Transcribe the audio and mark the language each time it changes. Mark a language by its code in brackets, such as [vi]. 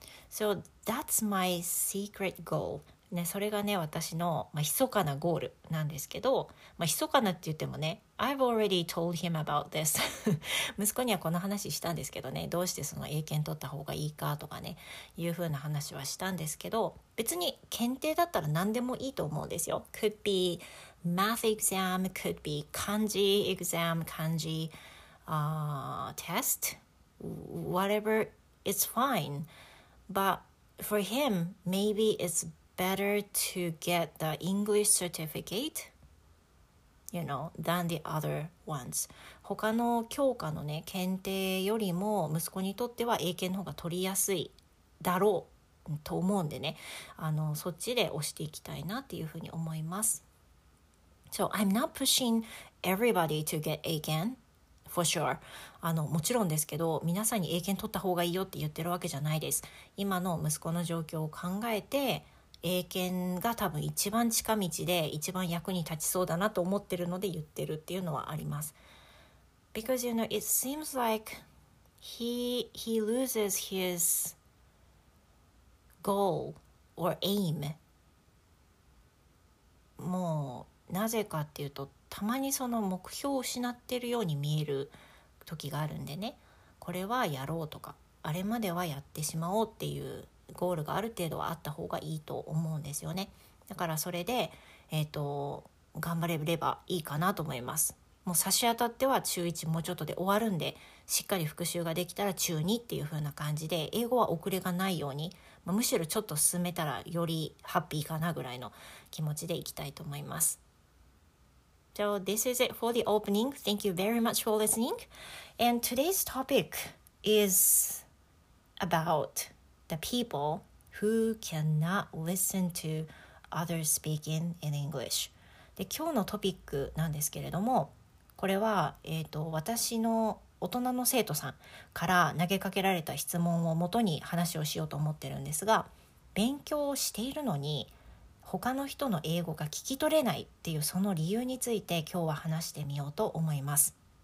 [en] So that's my secret goal.、 [ja] ね、それがね、私の、まあ、密かなゴールなんですけど、まあ、密かなって言ってもね、 [en] I've already told him about this. [ja] 息子にはこの話したんですけどね、どうしてその英検取った方がいいかとかね、いうふうな話はしたんですけど、別に検定だったら何でもいいと思うんですよ。 [en] Could be math exam, could be 漢字 exam, 漢字、test, whatever, it's fine. But for him, maybe it's better to get the English certificate, you know, than the other ones. [ja] 他の教科のね、検定よりも息子にとっては英検の方が取りやすいだろうと思うんでね、あの、そっちで押していきたいなっていうふうに思います。 [en] So I'm not pushing everybody to get AGAN. For sure. [ja] あのもちろんですけど、皆さんに英検取った方がいいよって言ってるわけじゃないです。今の息子の状況を考えて英検が多分一番近道で一番役に立ちそうだなと思ってるので言ってるっていうのはあります。 [en] Because you know it seems like he loses his goal or aim. [ja] もうなぜかっていうと、たまにその目標を失ってるように見える時があるんでね、これはやろうとか、あれまではやってしまおうっていうゴールがある程度はあった方がいいと思うんですよね。だからそれで、頑張れればいいかなと思います。もう差し当たっては中1もうちょっとで終わるんで、しっかり復習ができたら中2っていう風な感じで、英語は遅れがないように、むしろちょっと進めたらよりハッピーかなぐらいの気持ちでいきたいと思います。 [en] So this is it for the opening. Thank you very much for listening. And today's topic is about the people who cannot listen to others speaking in English. [ja] で、今日のトピックなんですけれども、これは、私の大人の生徒さんから投げかけられた質問をもとに話をしようと思ってるんですが、勉強をしているのに他の人の英語が聞き取れないっていうその理由について今日は話してみようと思います。